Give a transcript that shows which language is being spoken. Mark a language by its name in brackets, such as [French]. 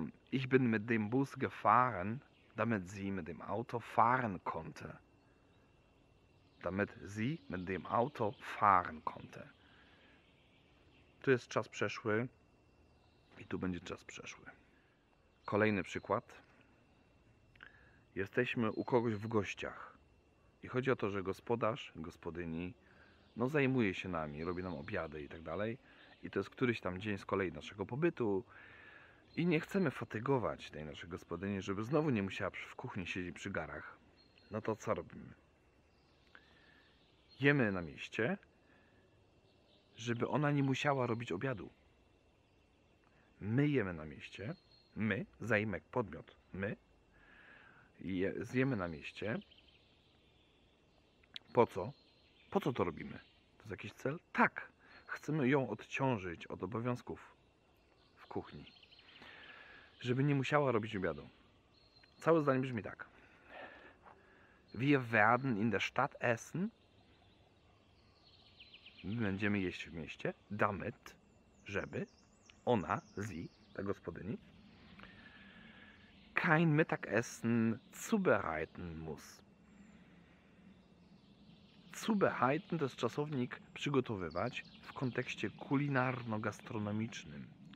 [German] Ich bin mit dem Bus gefahren, damit sie mit dem Auto fahren konnte. Damit sie mit dem Auto fahren konnte. [Polish] Tu jest czas przeszły i tu będzie czas przeszły. Kolejny przykład. Jesteśmy u kogoś w gościach i chodzi o to, że gospodarz, gospodyni, no zajmuje się nami, robi nam obiady i tak dalej. I to jest któryś tam dzień z kolei naszego pobytu i nie chcemy fatygować tej naszej gospodyni, żeby znowu nie musiała w kuchni siedzieć przy garach. No to co robimy? Jemy na mieście, żeby ona nie musiała robić obiadu. My jemy na mieście, my, zaimek, podmiot, my. I zjemy na mieście. Po co? Po co to robimy? To jest jakiś cel? Tak! Chcemy ją odciążyć od obowiązków w kuchni. Żeby nie musiała robić obiadu. Całe zdanie brzmi tak. [German] Wir werden in der Stadt essen. [Polish] Będziemy jeść w mieście. [German] Damit, [Polish] żeby ona, [German] sie, [Polish] ta gospodyni, [German] kein Mittagessen zubereiten muss. [Polish] Zubereiten to jest czasownik przygotowywać w kontekście kulinarno-gastronomicznym.